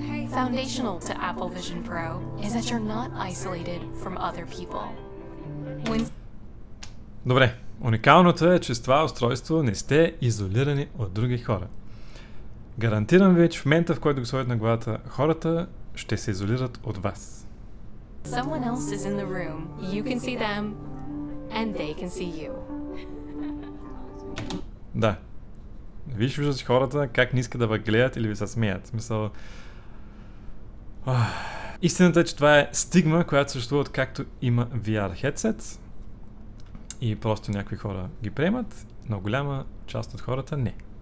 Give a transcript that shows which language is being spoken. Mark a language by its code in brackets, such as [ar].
[en] Foundational to Apple Vision Pro is that you're not isolated from other people. [bg] Добре, уникалното е, че с това устройство не сте изолирани от други хора. Гарантирам ви, че в момента, в който го сложите на главата, хората ще се изолират от вас. [en] Someone else is in the room. You can see them, and they can see you. [bg] Да. Виждат хората как не искат да ви гледат или ви се смеят. Смисъл... Истината е, че това е стигма, която съществува от както има VR headset. И просто някои хора ги приемат, но голяма част от хората не.